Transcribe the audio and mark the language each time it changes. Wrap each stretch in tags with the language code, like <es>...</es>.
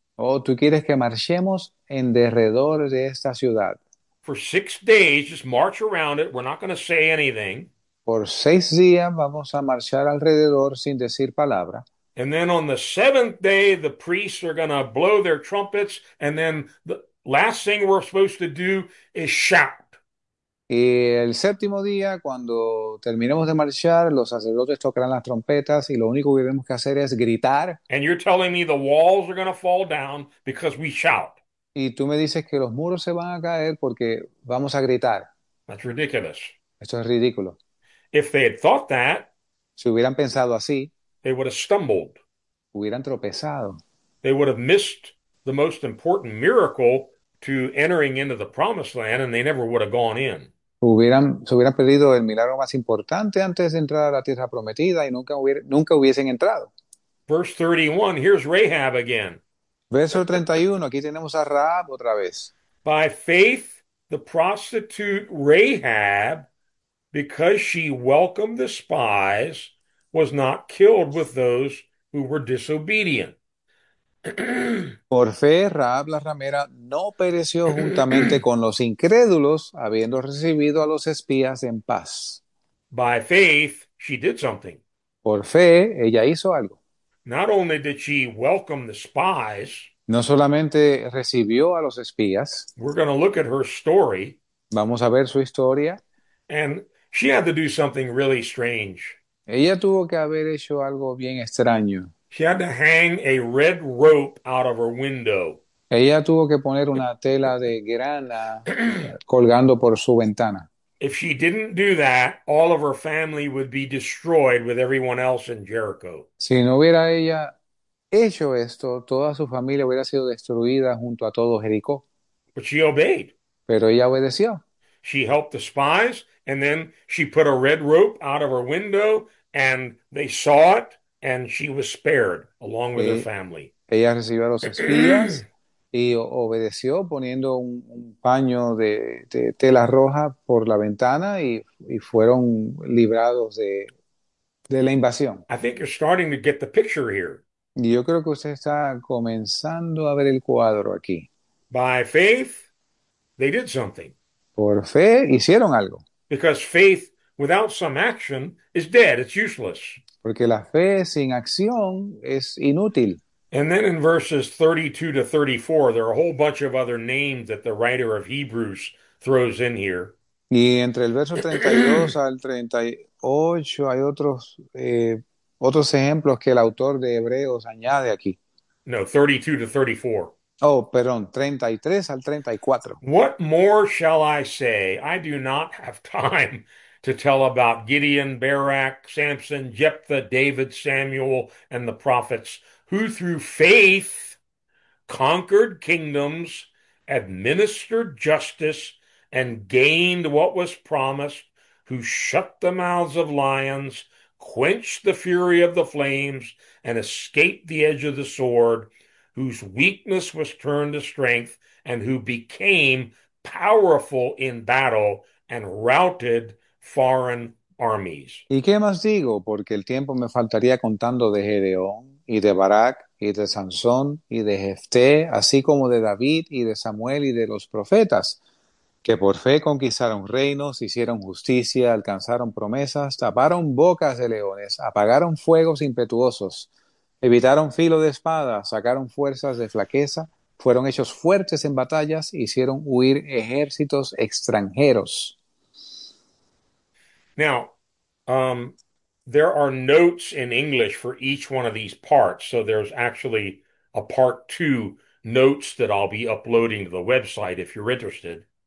<es>Oh, tú quieres que marchemos en derredor de esta ciudad.</es> <en>for 6 days, just march around it. We're not going to say anything.</en> <es>Por 6 días vamos a marchar alrededor sin decir palabra.</es> <en>And then on the seventh day, the priests are going to blow their trumpets. And then the last thing we're supposed to do is shout.</en> <es>Y el séptimo día, cuando terminemos de marchar, los sacerdotes tocarán las trompetas y lo único que tenemos que hacer es gritar.</es> <en>And you're telling me the walls are going to fall down because we shout.</en> <es>Y tú me dices que los muros se van a caer porque vamos a gritar.</es> <en>That's ridiculous.</en> <es>Esto es ridículo.</es> <en>If they had thought that,</en> <es>Si hubieran pensado así,</es> <en>they would have stumbled.</en> <es>hubieran tropezado.</es> <en>They would have missed the most important miracle to entering into the promised land, and they never would have gone in.</en> <es>Se hubieran perdido el milagro más importante antes de entrar a la tierra prometida y nunca hubiesen entrado.</es> <en>Verse 31, here's Rahab again.</en> <es>Verso 31, aquí tenemos a Rahab otra vez.</es> <en>By faith, the prostitute Rahab, because she welcomed the spies, was not killed with those who were disobedient.</en> <es>Por fe, Rahab la ramera no pereció juntamente con los incrédulos, habiendo recibido a los espías en paz.</es> <en>By faith, she did something.</en> <es>Por fe, ella hizo algo.</es> <en>Not only did she welcome the spies,</en> <es>No solamente recibió a los espías,</es> <en>we're going to look at her story,</en> <es>vamos a ver su historia.</es> <en>and she had to do something really strange.</en> <es>Ella tuvo que haber hecho algo bien extraño.</es> <en>She had to hang a red rope out of her window.</en> <es>Ella tuvo que poner una tela de grana</es> <en>If</en> <es>colgando por su ventana.</es> <en>she didn't do that, all of her family would be destroyed with everyone else in Jericho.</en> <es>Si no hubiera ella hecho esto, toda su familia hubiera sido destruida junto a todo Jericó.</es> <en>But she obeyed.</en> <es>Pero ella obedeció.</es> <en>She helped the spies, and then she put a red rope out of her window, and they saw it. And she was spared along with her family.</en> <es>Ella recibió a los espías y obedeció poniendo un paño de tela roja por la ventana y fueron librados de la invasión.</es> <en>I think you're starting to get the picture here.</en> <es>Y yo creo que usted está comenzando a ver el cuadro aquí.</es> <en>By faith, they did something.</en> <es>Por fe, hicieron algo.</es> <en>Because faith without some action is dead, it's useless.</en> <es>Porque la fe sin acción es inútil.</es> <en>And then in verses 32 to 34, there are a whole bunch of other names that the writer of Hebrews throws in here.</en> <es>Y entre el verso 32 al 38 hay otros ejemplos que el autor de Hebreos añade aquí.</es> <en>No, 32 to 34.</en> <es>Oh, perdón, 33 al 34.</es> <en>What more shall I say? I do not have time to tell about Gideon, Barak, Samson, Jephthah, David, Samuel, and the prophets. Who through faith conquered kingdoms, administered justice, and gained what was promised, who shut the mouths of lions, quenched the fury of the flames, and escaped the edge of the sword, whose weakness was turned to strength, and who became powerful in battle and routed foreign armies.</en> <es>¿Y qué más digo? Porque el tiempo me faltaría contando de Gedeón y de Barak y de Sansón y de Jefté, así como de David y de Samuel y de los profetas, que por fe conquistaron reinos, hicieron justicia, alcanzaron promesas, taparon bocas de leones, apagaron fuegos impetuosos, evitaron filo de espada, sacaron fuerzas de flaqueza, fueron hechos fuertes en batallas, hicieron huir ejércitos extranjeros.</es> <en>Now, there are notes in English for each one of these parts. So there's actually a part two notes that I'll be uploading to the website if you're interested.</en>